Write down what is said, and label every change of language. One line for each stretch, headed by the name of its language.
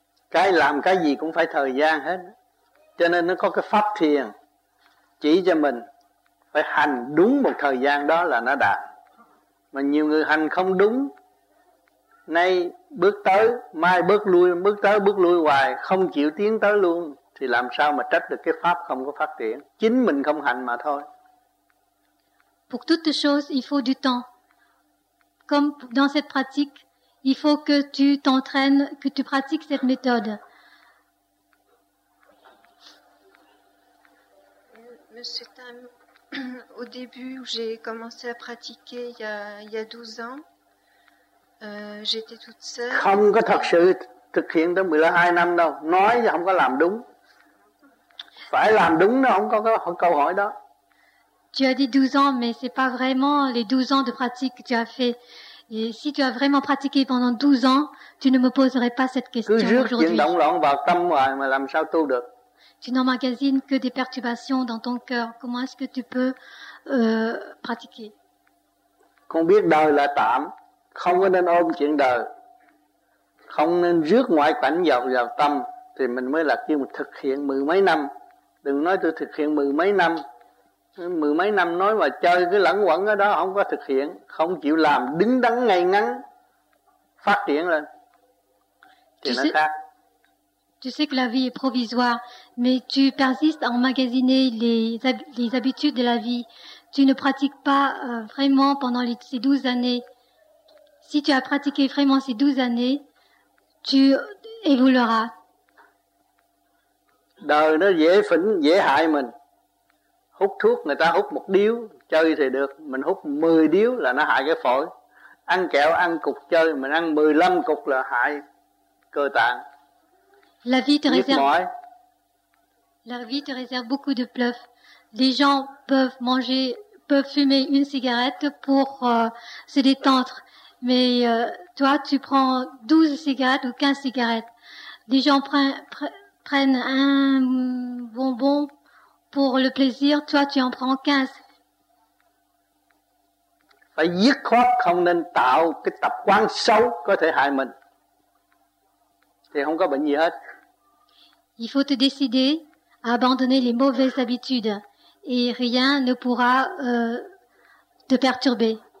Vietnamese: Cái làm cái gì cũng phải thời gian hết. Cho nên nó có cái pháp thiền chỉ cho mình. Phải hành đúng một thời gian đó là nó đạt. Mà nhiều người hành không đúng. Nay bước tới, mai bước lui hoài, không chịu tiến tới luôn. Thì làm sao mà trách được cái pháp không có phát triển. Chính mình không hành mà thôi.
French: Pour toute chose, il faut du temps. Comme dans cette pratique, il faut que tu t'entraînes, que tu pratiques cette méthode. Monsieur Tam, au début, j'ai commencé à pratiquer il y a 12 ans. J'étais toute seule.
Vietnamese: Không có thật sự thực hiện tới 12 năm đâu. Nói thì không có làm đúng. Phải làm đúng nó không có cái câu hỏi đó.
French: Tu as dit 12 ans, mais c'est pas vraiment les 12 ans de pratique que tu as fait. Et si tu as vraiment pratiqué pendant 12 ans, tu ne me poserais pas cette question aujourd'hui.
Vietnamese: Cứ rước chuyện động loạn vào tâm hoài mà làm sao tu được.
French: Tu n'emmagasines que des perturbations dans ton cœur. Comment est-ce que tu peux pratiquer?
Vietnamese: Con biết đời là tạm, không có nên ôm chuyện đời, không nên rước ngoại cảnh vào tâm, thì mình mới là kêu thực hiện mười mấy năm. Đừng nói tôi thực hiện mười mấy năm nói mà chơi cứ lẩn quẩn ở đó, không có thực hiện, không chịu làm, đứng đắn ngay ngắn, phát triển lên, thì nó khác.
French: Tu sais que la vie est provisoire, mais tu persistes à emmagasiner les habitudes de la vie. Tu ne pratiques pas vraiment pendant ces 12 années. Si tu as pratiqué vraiment ces 12 années, tu évolueras.
Vietnamese: Đời nó dễ phỉnh, dễ hại mình. Hút thuốc, người ta hút một điếu, chơi thì được. Mình hút 10 điếu là nó hại cái phổi. Ăn kẹo, ăn cục chơi, mình ăn 15 cục là hại cơ tạng.
French: La vie te réserve beaucoup de bluffs. Les gens peuvent fumer une cigarette pour se détendre. Mais toi, tu prends 12 cigarettes ou 15 cigarettes. Les gens prennent un bonbon pour le plaisir, toi tu en prends 15.
Vietnamese: Phải dứt khoát không nên tạo cái tập quán xấu có thể hại mình. Thì không có bệnh gì hết.
French: Il faut te décider à abandonner les mauvaises habitudes et rien ne pourra te perturber.